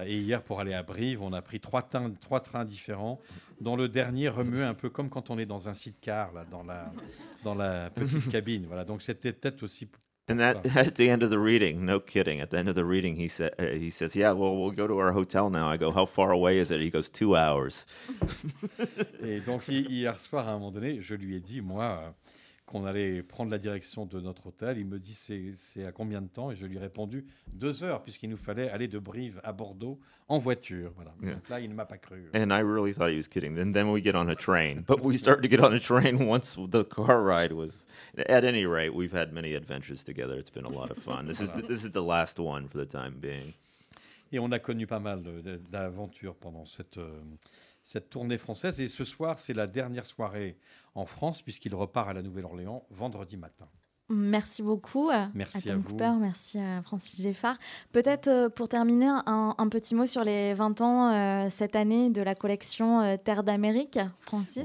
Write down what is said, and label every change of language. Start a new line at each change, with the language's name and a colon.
French: Voilà, et hier, pour aller à Brive, on a pris trois trains différents, dont le dernier remuait un peu comme quand on est dans un sidecar là, dans la petite cabine. Voilà, donc c'était peut-être aussi.
English: And that at the end of the reading, no kidding. At the end of the reading, he says, "Yeah, well, we'll go to our hotel now." I go, "How far away is it?" He goes, 2 hours.
French: Et donc hier soir, à un moment donné, je lui ai dit moi qu'on allait prendre la direction de notre hôtel. Il me dit c'est à combien de temps, et je lui ai répondu 2 heures, puisqu'il nous fallait aller de Brive à Bordeaux en voiture. Voilà. Yeah. Donc là, il ne m'a pas cru.
English: And I really thought he was kidding. And then we get on a train, but we start to get on a train once the car ride was. At any rate, we've had many adventures together. It's been a lot of fun. This is the last one for the time being.
French: Et on a connu pas mal d'aventures pendant cette tournée française. Et ce soir, c'est la dernière soirée en France, puisqu'il repart à la Nouvelle-Orléans vendredi matin. Merci beaucoup. Merci à Tom vous. Cooper, merci à Francis Geffard. Peut-être pour terminer, un petit mot sur les 20 ans cette année de la collection Terre d'Amérique, Francis.